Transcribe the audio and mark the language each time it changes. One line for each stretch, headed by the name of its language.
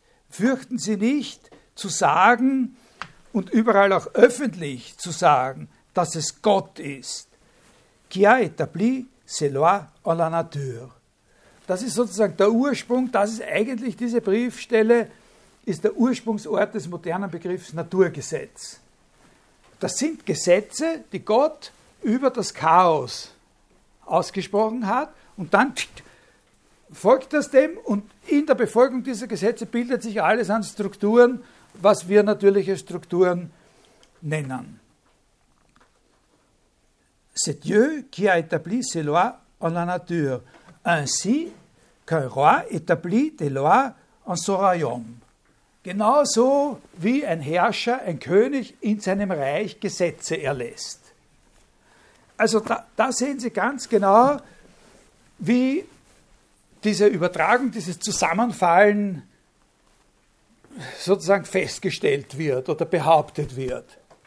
German: Fürchten Sie nicht zu sagen und überall auch öffentlich zu sagen, dass es Gott ist.
French: Qui a établi ces lois en la nature.
German: Das ist sozusagen der Ursprung, das ist eigentlich diese Briefstelle, ist der Ursprungsort des modernen Begriffs Naturgesetz. Das sind Gesetze, die Gott über das Chaos ausgesprochen hat und dann folgt das dem und in der Befolgung dieser Gesetze bildet sich alles an Strukturen, was wir natürliche Strukturen nennen.
French: C'est Dieu qui a établi ces lois en la nature. Ainsi qu'un roi établit des lois en son royaume.
German: Genauso wie ein Herrscher, ein König in seinem Reich Gesetze erlässt. Also da sehen Sie ganz genau, wie diese Übertragung, dieses Zusammenfallen sozusagen festgestellt wird oder behauptet wird.